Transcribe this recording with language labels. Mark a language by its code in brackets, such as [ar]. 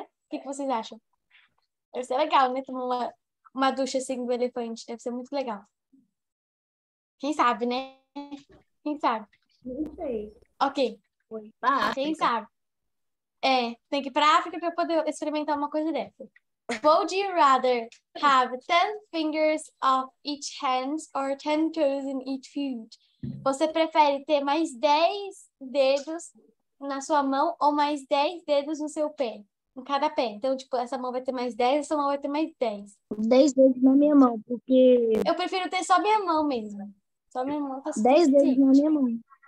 [pt] O que, que vocês acham? Deve ser legal, né? Tomar uma ducha assim do elefante, deve ser muito legal. Quem sabe, né? Quem sabe? Não sei. Ok. Quem sabe? É, tem que ir pra África pra poder experimentar uma coisa dessa. [en] Would you rather have 10 fingers of each hand or 10 toes in each foot? [pt] Você prefere ter mais 10 dedos na sua mão ou mais 10 dedos no seu pé? Em cada pé. Então, tipo, essa mão vai ter mais 10, essa mão vai ter mais 10. 10 dedos na minha mão, porque... Eu prefiro ter só minha mão mesmo. Só minha mão tá suficiente. 10 dedos na minha mão.